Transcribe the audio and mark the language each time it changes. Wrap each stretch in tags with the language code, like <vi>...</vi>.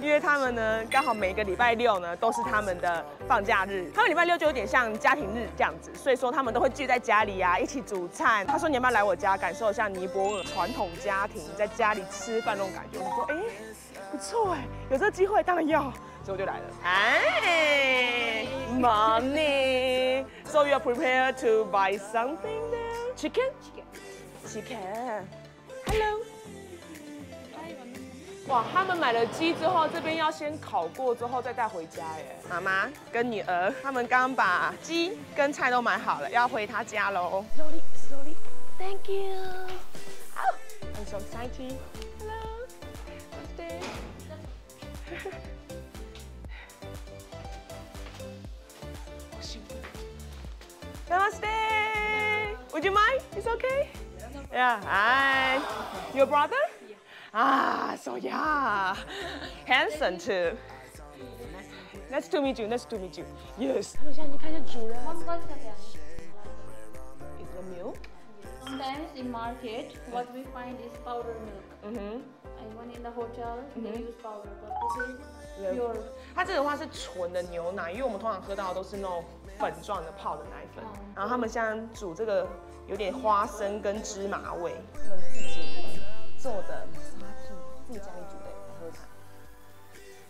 <zh>因为他们呢刚好每个礼拜六呢都是他们的放假日，他们礼拜六就有点像家庭日这样子，所以说他们都会聚在家里啊一起煮菜。他说你要不要来我家感受一下尼泊尔传统家庭在家里吃饭那种感觉？我说哎，不错哎，有这个机会当然要。所以我就来了。哎 ，money。</zh> <en>So you are prepared to buy something there? Chicken? Chicken. Hello.</en> <zh>Hi, 哇，他们买了鸡之后，这边要先烤过之后再带回家耶。妈妈跟女儿，他们刚把鸡跟菜都买好了，要回他家喽。</zh> <en>Slowly. Thank you. Oh, I'm so excited. Hello. Good day. Namaste. Would you mind? It's okay. Yeah. Hi. Your brother? Yeah. Ah. So yeah. Handsome too. Nice to meet you. Nice to meet you. Yes.</en> <zh>我现在去看一下主人。</zh> <en>One glass of milk. Is the milk? Sometimes in market, what we find is powder milk. Mm-hmm. Even in the hotel, they use powder, but this is pure.</en> <zh>它这个话是纯的牛奶，因为我们通常喝到的都是那种粉状的泡的奶粉。然后他们现在煮这个有点花生跟芝麻味，他们自己做的麻酱，自己家里煮的，喝它。</zh>